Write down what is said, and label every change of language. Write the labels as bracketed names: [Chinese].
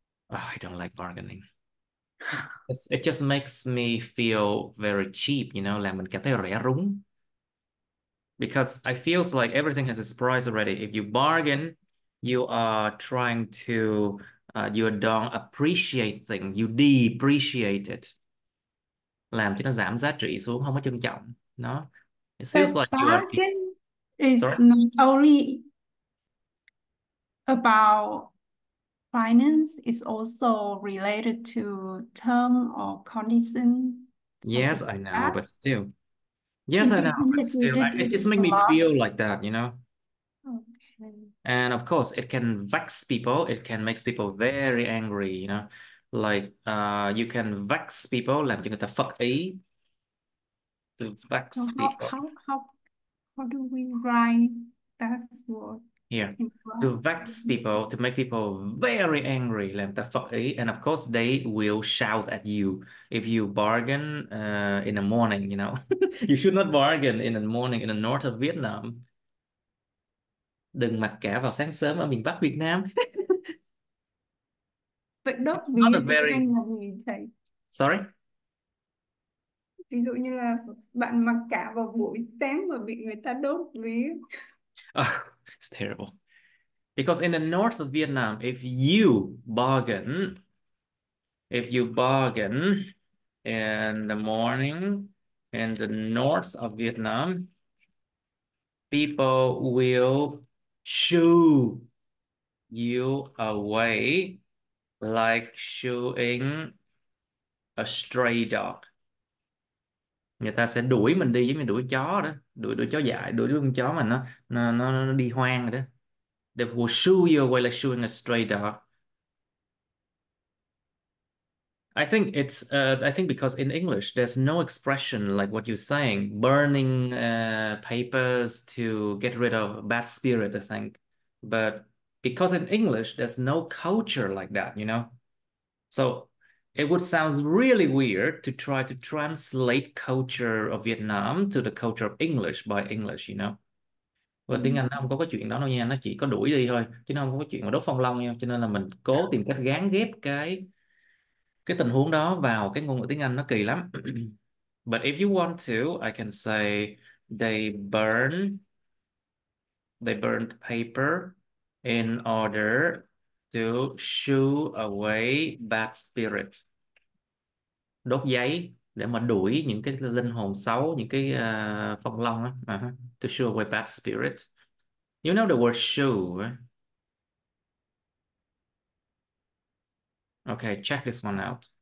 [English] Oh, I don't like bargaining. It just makes me feel very cheap, you know, [Vietnamese] là mình cảm thấy rẻ rúng. [English] Because I feels like everything has its price already. If you bargain, you are trying to, you don't appreciate things, you depreciate it. [Vietnamese] Làm cho nó giảm giá trị xuống, không có trân trọng. [English] No? It feels but like you are... bargain is Sorry? Not only about finance, is also related to term or condition. Yes, I know, like but still. Yes, I know, but still, it just makes me feel like that, you know? Okay. And of course, it can vex people. It can make people very angry, you know? Like, you can vex people, [Vietnamese] làm cho người ta phật ý. [English] To vex so people. How do we write that word? Yeah, to vex people, to make people very angry, [Vietnamese] làm ta phật ý. [English] And of course, they will shout at you if you bargain in the morning, you know. You should not bargain in the morning in the north of Vietnam. [Vietnamese] Đừng mặc cả vào sáng sớm ở miền Bắc Việt Nam. [English] But don't It's be not a very... Okay. Sorry? [Vietnamese] Ví dụ như là bạn mặc cả vào buổi sáng mà bị người ta đốt ví. [English] Oh, it's terrible. Because in the north of Vietnam, if you bargain in the morning in the north of Vietnam, people will shoo you away like shooing a stray dog. [Vietnamese] Người ta sẽ đuổi mình đi giống như đuổi chó đó, đuổi đuổi chó dại, đuổi con chó mà nó đi hoang rồi đó. [English] They will shoo you away like shooing a stray dog. I think because in English there's no expression like what you're saying, burning papers to get rid of bad spirit, I think. But because in English there's no culture like that, you know. So it would sound really weird to try to translate culture of Vietnam to the culture of English by English, you know. [Vietnamese] Và tiếng Anh nó không có chuyện đó đâu nha, nó chỉ có đuổi đi thôi, chứ nó không có chuyện mà đốt phong long nha. Cho nên là mình cố tìm cách gán ghép cái tình huống đó vào cái ngôn ngữ tiếng Anh, nó kỳ lắm. [English] But if you want to, I can say they burned paper in order to shoo away bad spirits. [Vietnamese] Đốt giấy để mà đuổi những cái linh hồn xấu, những cái phong long á. [English] To shoo away bad spirit. You know the word shoo, right? Okay, check this one out.